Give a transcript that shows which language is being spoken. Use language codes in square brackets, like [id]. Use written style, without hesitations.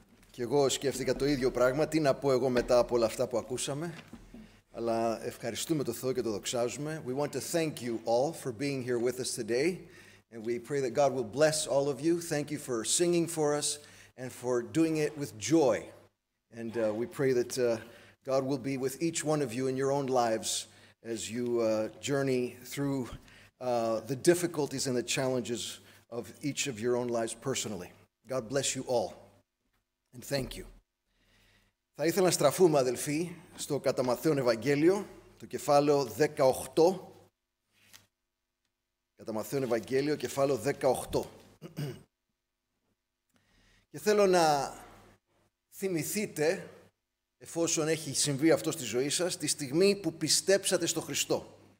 [el] Κι εγώ σκέφτηκα το ίδιο πράγμα. Τι να πω εγώ μετά από όλα αυτά που ακούσαμε. Αλλά ευχαριστούμε τον Θεό και το δοξάζουμε. [en] We want to thank you all for being here with us today. And we pray that God will bless all of you. Thank you for singing for us and for doing it with joy. And we pray that God will be with each one of you in your own lives as you journey through the difficulties and the challenges of each of your own lives personally. God bless you all, and thank you. [el] Θα ήθελα να στραφούμε, αδελφοί, στο κατά Ματθαίον Ευαγγέλιο, το κεφάλαιο 18. Κατά Ματθαίον Ευαγγέλιο, κεφάλαιο 18. Και θέλω να θυμηθείτε, εφόσον έχει συμβεί αυτό στη ζωή σας, τη στιγμή που πιστέψατε στο Χριστό.